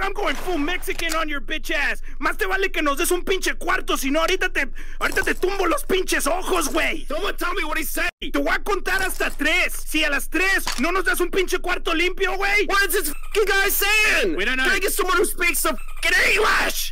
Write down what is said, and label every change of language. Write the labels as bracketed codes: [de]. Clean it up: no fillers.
[en] I'm going full Mexican on your bitch ass. [es] Más te vale que nos des un pinche cuarto, si no ahorita te tumbo los pinches ojos, güey. [en] Someone tell me what he said. [es] Te voy a contar hasta tres. Si a las tres no nos das un pinche cuarto limpio, güey. [en] What is this f***ing guy saying? We don't know. Can I get someone who speaks some f***ing English?